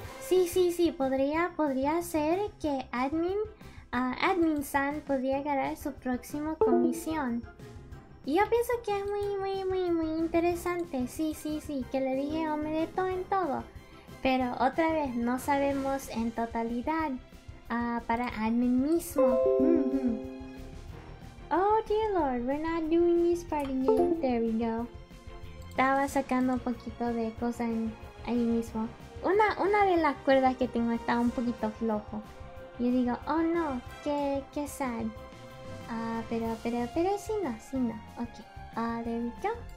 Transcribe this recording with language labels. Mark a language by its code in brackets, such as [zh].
[es] Sí, sí, sí, podría ser que admin, admin-san podría agarrar su próxima comisión. Yo pienso que es muy, muy, muy, muy interesante. Sí, sí, sí, que le dije omedeto en todo. Pero otra vez, no sabemos en totalidad para admin mismo. [en] Oh, dear lord, we're not doing this party game. There we go. [es] Estaba sacando un poquito de cosas ahí mismo. Una de las cuerdas que tengo está un poquito flojo. Yo digo, oh no, qué sad. Ah, pero sí no, sí no. [en] Ok, there we go.